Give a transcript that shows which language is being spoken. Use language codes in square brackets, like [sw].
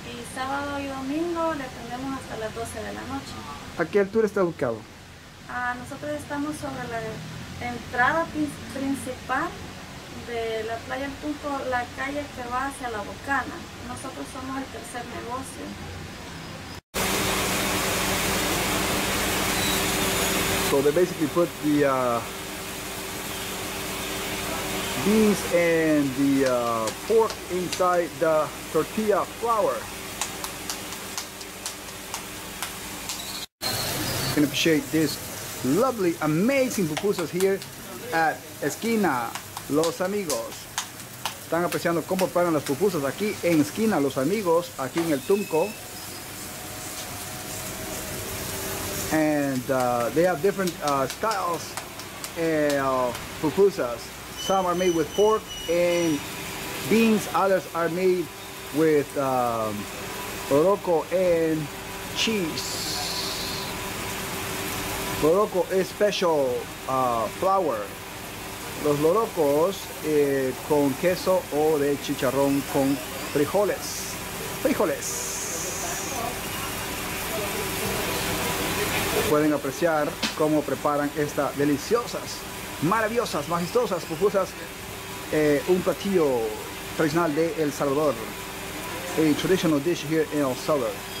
[es] Y sábado y domingo le atendemos hasta las 12 de la noche. ¿A qué altura está ubicado? Nosotros estamos sobre la entrada principal de la Playa El Tunco, la calle que va hacia La Bocana. Nosotros somos el tercer negocio. [en] So they basically put the beans and the pork inside the tortilla flour. You can appreciate this lovely, amazing pupusas here at Esquina Los Amigos. [es] Están apreciando cómo preparan las pupusas aquí en Esquina Los Amigos, aquí en el Tunco. [en] And they have different styles of pupusas. Some are made with pork and beans. Others are made with loroco and cheese. Loroco is special flour. [es] Los lorocos con queso o de chicharrón con frijoles. Frijoles. Pueden apreciar cómo preparan estas deliciosas, maravillosas, majestuosas pupusas. Un platillo tradicional de El Salvador. [en] A traditional dish here in El Salvador.